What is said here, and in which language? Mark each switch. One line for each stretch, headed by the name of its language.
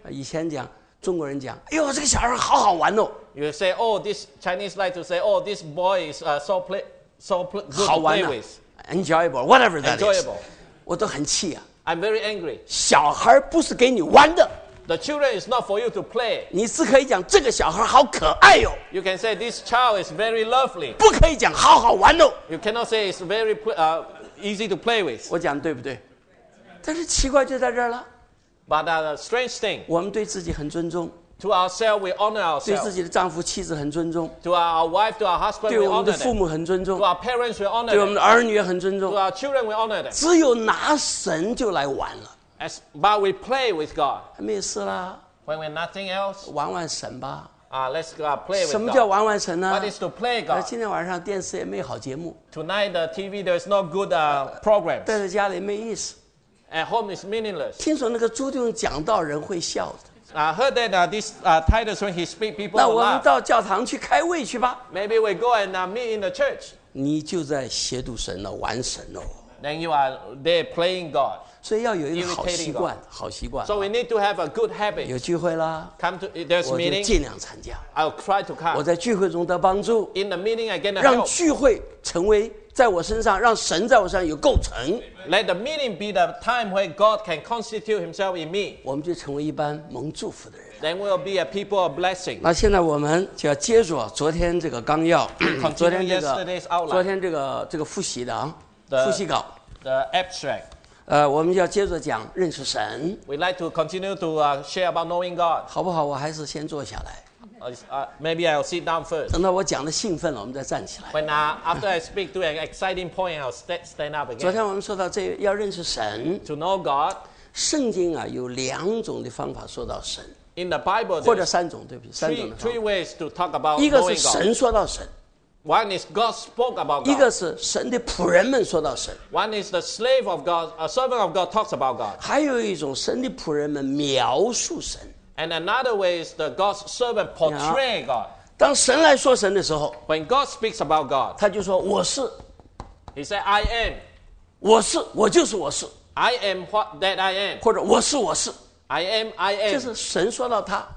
Chinese: 以前讲中国人讲，哎呦，这个小孩好好玩哦。
English: You say, oh, this Chinese like to say, oh, this boy is so good to play with. Enjoyable, whatever that is. Enjoyable.
Chinese: 我都很气啊。
English: I'm very angry.
Chinese: 小孩不是给你玩的。
English: The children is not for you to play.
Chinese: 你是可以讲这个小孩好可爱哦。
English: You can say this child is very lovely.
Chinese: 不可以讲好好玩哦。
English: You cannot say it's very easy to play with.
Chinese: 我讲对不对？但是奇怪就在这儿了。
English: But a strange thing.
Chinese: 我们对自己很尊重。
English: To ourselves, we honor ourselves.
Chinese: 对自己的丈夫、妻子很尊重。
English: To our wife, to our husband, we honor them.
Chinese: 对我们的父母很尊重。
English: To our parents, we honor them.
Chinese: 对我们的儿女也很尊重。
English: To our children, we honor them.
Chinese: 只有拿神就来玩了。
English: As, but we play with God.
Chinese: 没事啦。
English: When we're nothing else.
Chinese: 玩玩神吧。
English: Let's go play with God.
Chinese: 什么叫玩玩神呢？
English: What is to play God?
Chinese: 今天晚上电视也没有好节目。
English: Tonight the TV there's no good programs.
Chinese: 待在家里没意思。
English: At home is meaningless.
Chinese: 听说那个朱弟兄讲道人会笑的。
English: I heard that this Titus when he speak people laugh.
Chinese: 那我们到教堂去开会去吧。
English: Maybe we go and meet in the church.
Chinese: 你就在亵渎神了，玩神哦。
English: Then you are there playing God.
Chinese: 所以要有一个好习惯，好习惯。
English: So we need to have a good habit.
Chinese: 有聚会啦
English: ，come to there's meeting.
Chinese: 我就尽量参加。
English: I'll try to come.
Chinese: 我在聚会中得帮助。
English: In the meeting, I get help.
Chinese: 让聚会成为在我身上，让神在我身上有构成。
English: Let the meeting be the time where God can constitute Himself in me.
Chinese: 我们就成为一般蒙祝福的人。
English: Then we'll be a people of blessing.
Chinese: 那现在我们就要接着昨天这个纲要，昨天这个
English: yesterday's outline.
Chinese: 昨天这个复习的复习稿。
English: The abstract.
Chinese: 我们要接着讲认识神。
English: We'd like to continue to share about knowing God.
Chinese: 好不好？我还是先坐下来。
English: Maybe I'll sit down first.
Chinese: 等到我讲的兴奋了，我们再站起来。
English: When after I speak to an exciting point, I'll stand up again.
Chinese: 昨天我们说到这要认识神。
English: To know God.
Chinese: 圣经啊，有两种的方法说到神。
English: In the Bible,
Chinese: 或者三种，对不起，三种。
English: Three ways to talk about.
Chinese: 一个是神说到神。
English: One is God spoke about God.
Chinese: 一个是神的仆人们说到神。
English: One is the slave of God, a servant of God talks about God.
Chinese: 还有一种神的仆人们描述神。
English: And another way is the God's servant portray God.
Chinese: 当神来说神的时候
English: ，When God speaks about God,
Chinese: 他就说我是。
English: He said, "I am."
Chinese: 我是，我就是我是。
English: I am what that I am.
Chinese: 或者我是我是。
English: I am, I am.
Chinese: 就是神说到他。